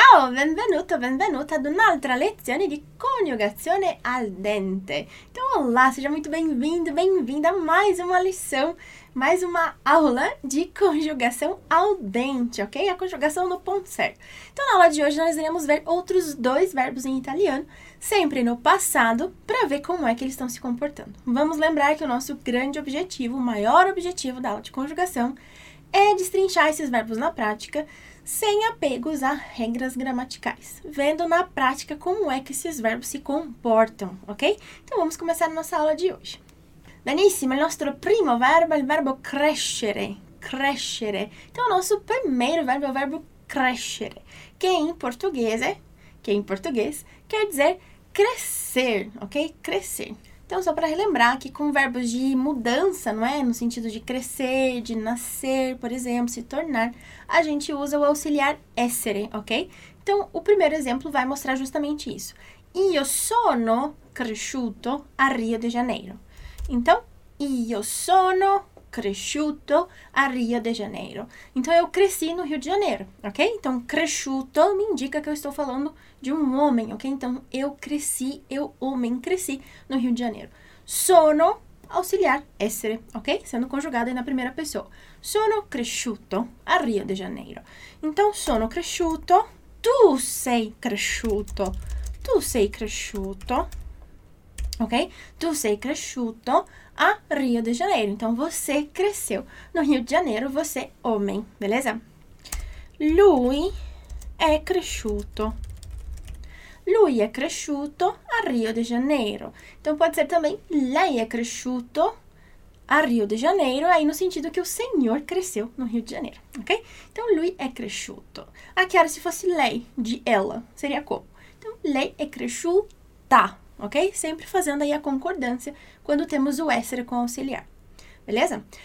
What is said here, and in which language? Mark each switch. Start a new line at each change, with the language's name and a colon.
Italian: Benvenuto, benvenuta ad un'altra lezione di coniugazione al dente.
Portuguese: Então, olá, seja muito bem-vindo, bem-vinda a mais uma lição, mais uma aula de conjugação ao dente, ok? A conjugação no ponto certo. Então, na aula de hoje, nós iremos ver outros dois verbos em italiano, sempre no passado, para ver como é que eles estão se comportando. Vamos lembrar que o nosso grande objetivo, o maior objetivo da aula de conjugação, é destrinchar esses verbos na prática, sem apegos a regras gramaticais, vendo na prática como é que esses verbos se comportam, ok? Então, vamos começar a nossa aula de hoje.
Italian: Benissimo, il nostro primo verbo è il verbo crescere, crescere.
Portuguese: Então, o nosso primeiro verbo é o verbo crescere, que em português quer dizer crescer, ok? Crescer. Então, só para relembrar que com verbos de mudança, não é? No sentido de crescer, de nascer, por exemplo, se tornar, a gente usa o auxiliar essere, ok? Então, o primeiro exemplo vai mostrar justamente isso.
Italian: Io sono cresciuto a Rio de Janeiro. Então, io sono cresciuto a Rio de Janeiro.
Portuguese: Então, eu cresci no Rio de Janeiro, ok? Então, cresciuto me indica que eu estou falando de um homem, ok? Então, eu cresci no Rio de Janeiro. Sono, auxiliar, essere, ok? Sendo conjugado aí na primeira pessoa.
Italian: Sono cresciuto a Rio de Janeiro. Então, sono cresciuto, tu sei cresciuto, tu sei cresciuto. Ok? Tu sei cresciuto a Rio de Janeiro.
Portuguese: Então, você cresceu no Rio de Janeiro, você homem, beleza?
Italian: Lui é cresciuto. Lui è cresciuto a Rio de Janeiro.
Portuguese: Então, pode ser também,
Italian: lei è cresciuto a Rio de Janeiro,
Portuguese: aí no sentido que o senhor cresceu no Rio de Janeiro, ok? Então,
Italian: lui è cresciuto.
Portuguese: Aqui era se fosse lei, de ela, seria como?
Italian: Então, lei è cresciuta. Ok?
Portuguese: Sempre fazendo aí a concordância quando temos o essere com o auxiliar. Beleza?